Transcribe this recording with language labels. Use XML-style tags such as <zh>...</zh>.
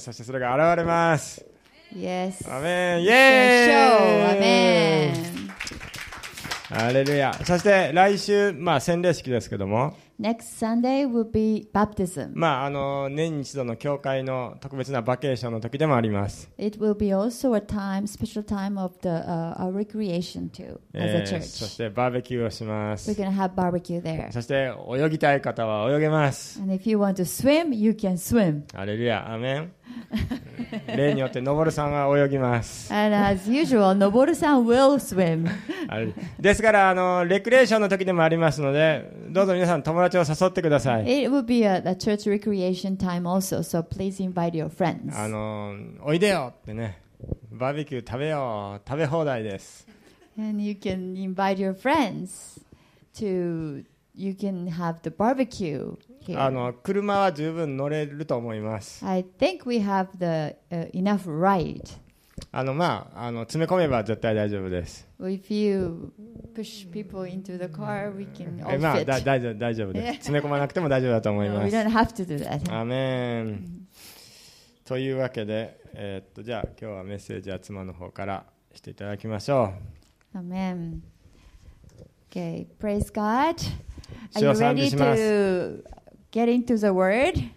<ja>そしてそれが現れます。</ja> <en>Yes. Amen. Yay. Amen. Alleluia.</en> <ja>そして来週、まあ、洗礼式ですけども。</ja> <en>Next Sunday will be baptism.</en> <ja>まあ、あの、年に一度の教会の特別なバケーションの時でもあります。</ja> <en>It will be also a time, special time of the, our recreation too, as a church.</en> <ja>そしてバーベキューをします。</ja> <en>We're gonna have barbecue there.</en> <ja>そして泳ぎたい方は泳げます。</ja> <en>And if you want to swim, you can swim. Alleluia. Amen.</en> <ja>例によってのぼるさんは泳ぎます。</ja> <en>And as usual, のぼるさん will swim.</en> <ja>ですからあのレクリエーションの時でもありますので、どうぞ皆さん友達を誘ってください。</ja> <en>It will be a church recreation time also, so please invite your friends.</en> <ja>あのおいでよってね、バーベキュー食べよう、食べ放題です。</ja> <en>And you can invite your friends to you can have the barbecue.</en> <ja>あの車は十分乗れると思います。</ja> <en>I think we have the, enough ride.</en> <ja>あのまああの詰め込めば絶対大丈夫です。</ja> <en>If you push people into the car, we can all fit.</en> <ja>まあ大丈夫です。詰め込まなくても大丈夫だと思います。</ja> <en>No, we don't have to do that.</en> <ja>アメン。というわけで、じゃあ今日はメッセージは妻の方からしていただきましょう。</ja> <en>アメン。Okay, praise God. Are you ready to? Get into the word.</en>